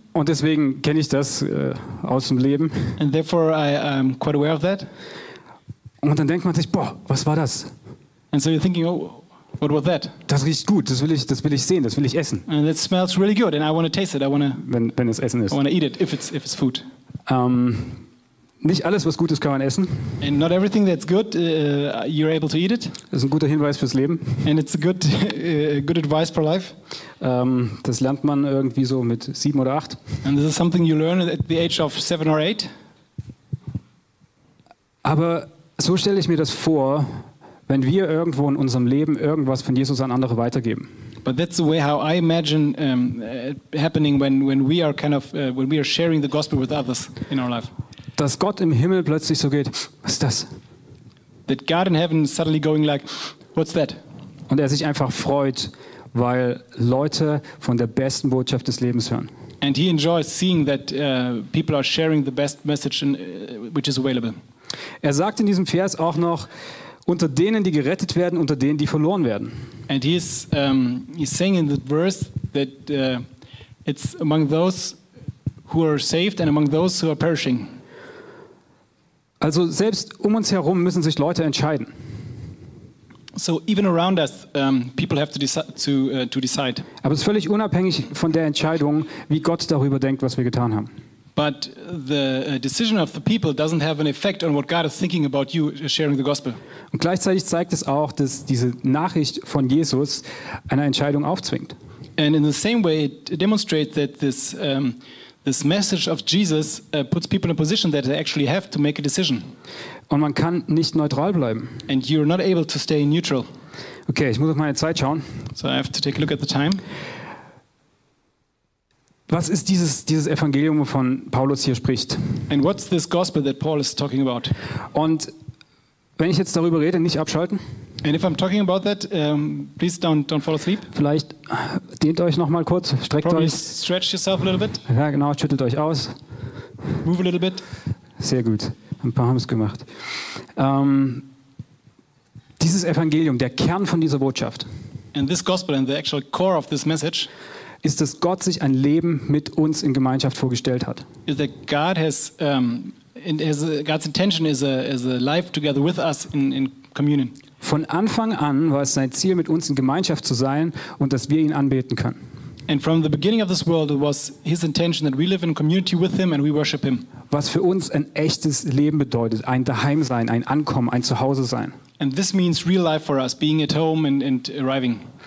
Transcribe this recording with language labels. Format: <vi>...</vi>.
<de>Und deswegen kenne ich das aus dem Leben.</de> <en>And therefore I'm quite aware of that.</en> <de>Und dann denkt man sich, boah, was war das?</de> <en>And so you're thinking, oh, what was that?</en> <de>Das riecht gut, das will ich sehen, das will ich essen.</de> <en>And it smells really good and I want to taste it. I want to</en> <de>wenn es Essen ist.</de> <en>I want to eat it if it's food.</en> <de>Nicht alles, was gut ist, kann man essen.</de> <en>And not everything that's good, you're able to eat it.</en> <de>Das ist ein guter Hinweis fürs Leben.</de> <en>And it's a good advice for life.</en> <de>Das lernt man irgendwie so mit 7 oder 8.</de> <en>And this is something you learn at the age of 7 or 8.</en> <de>Aber so stelle ich mir das vor, wenn wir irgendwo in unserem Leben irgendwas von Jesus an andere weitergeben.</de> <en>But that's the way how I imagine it happening when we are kind of when we are sharing the gospel with others in our life.</en> <de>Dass Gott im Himmel plötzlich so geht, was ist das?</de> <en>That God in heaven suddenly going like, what's that?</en> <de>Und er sich einfach freut, weil Leute von der besten Botschaft des Lebens hören.</de> <en>And he enjoys seeing that people are sharing the best message which is available.</en> <de>Er sagt in diesem Vers auch noch, unter denen, die gerettet werden, unter denen, die verloren werden.</de> <en>And he is he's saying in the verse that it's among those who are saved and among those who are perishing.</en> <de>Also selbst um uns herum müssen sich Leute entscheiden.</de> <en>So even around us people have to decide.</en> <de>Aber es ist völlig unabhängig von der Entscheidung, wie Gott darüber denkt, was wir getan haben.</de> <en>But the decision of the people doesn't have an effect on what God is thinking about you sharing the gospel.</en> <de>Und gleichzeitig zeigt es auch, dass diese Nachricht von Jesus eine Entscheidung aufzwingt.</de> <en>And in the same way it demonstrates that this message of Jesus puts people in a position that they actually have to make a decision.</en> <de>Und man kann nicht neutral bleiben.</de> <en>And you're not able to stay neutral.</en> <de>Okay, ich muss auf meine Zeit schauen.</de> <en>So I have to take a look at the time.</en> <de>Was ist dieses Evangelium, wovon Paulus hier spricht?</de> <en>And what's this gospel that Paul is talking about?</en> <de>Und wenn ich jetzt darüber rede, nicht abschalten.</de> <en>And if I'm talking about that, please don't fall asleep.</en> <de>Vielleicht dehnt euch noch mal kurz, streckt</de> <en>probably</en> <de>euch.</de> <en>Probably stretch yourself a little bit.</en> <de>Ja, genau, schüttelt euch aus.</de> <en>Move a little bit.</en> <de>Sehr gut, ein paar haben es gemacht. Dieses Evangelium, der Kern von dieser Botschaft.</de> <en>And this gospel and the actual core of this message.</en> <de>Ist, dass Gott sich ein Leben mit uns in Gemeinschaft vorgestellt hat.</de> <en>Is that God has, God's intention is a life together with us in communion.</en> <de>Von Anfang an war es sein Ziel, mit uns in Gemeinschaft zu sein und dass wir ihn anbeten können.</de> <en>And from the beginning of this world, it was his intention that we live in community with him and we worship him.</en> <de>Was für uns ein echtes Leben bedeutet, ein Daheimsein, ein Ankommen, ein Zuhause sein.</de> <en>And this means real life for us, being at home and arriving.</en>